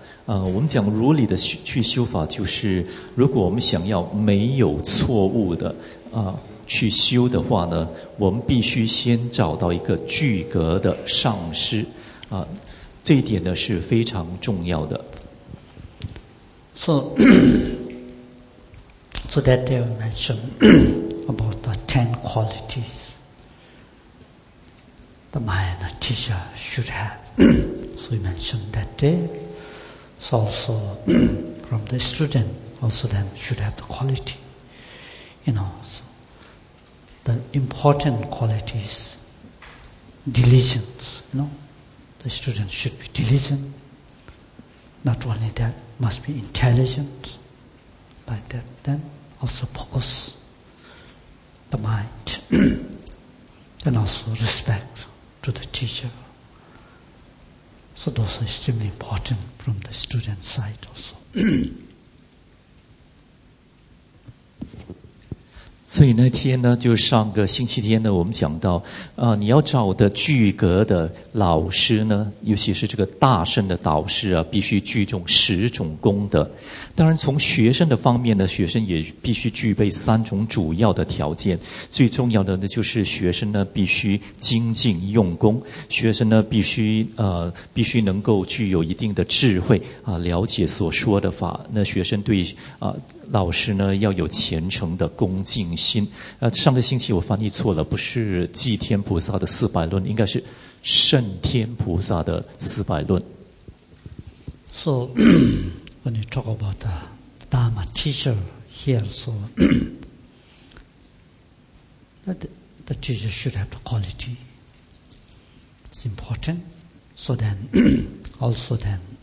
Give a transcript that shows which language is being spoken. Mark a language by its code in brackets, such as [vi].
[zh] 我们讲如理的去修法，就是如果我们想要没有错误的。去修的话呢，我们必须先找到一个具格的上师，这一点呢是非常重要的。 [en] So that they have mentioned about the 10 qualities the Mahayana teacher should have. So he mentioned that day. So also from the student, also then should have the quality. You know. The important qualities, diligence, you know. The student should be diligent. Not only that, must be intelligent, like that. Then also focus the mind. Then also respect to the teacher. So those are extremely important from the student side also. [zh] 所以那天呢，就上个星期天呢，我们讲到你要找的具格的老师呢，尤其是这个大圣的导师啊，必须具重十种功德。当然从学生的方面呢，学生也必须具备三种主要的条件。最重要的呢，就是学生呢必须精进用功，学生呢必须能够具有一定的智慧了解所说的法。那学生对老师呢要有虔诚的恭敬心。上个星期我翻译错了，不是祭天菩萨的四百论，应该是圣天菩萨的四百论。 [en] So when you talk about the Dharma teacher here, so that the teacher should have the quality. It's important. So then also then.